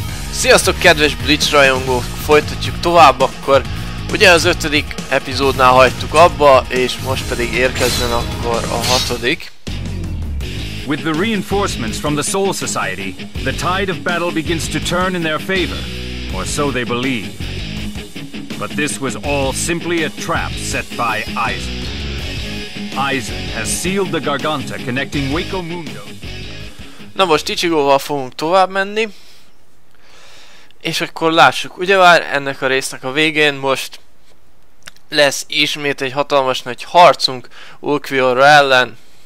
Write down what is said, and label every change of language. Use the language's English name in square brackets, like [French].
[Hungarian] Sziasztok, kedves Bleach rajongók! Folytatjuk tovább akkor. Ugye az ötödik epizódnál hagytuk abba, és most pedig érkezzen akkor a hatodik. [English] With the reinforcements from the Soul Society, the tide of battle begins to turn in their favor, or so they believe. But this was all simply a trap set by Aizen. Aizen has sealed the Garganta connecting Waco Mundo. [Hungarian] Na most Ichigóval fogunk tovább menni. És akkor lássuk, ugye már ennek a résznek a végén most lesz ismét egy hatalmas nagy harcunk Ulquiorra ellen.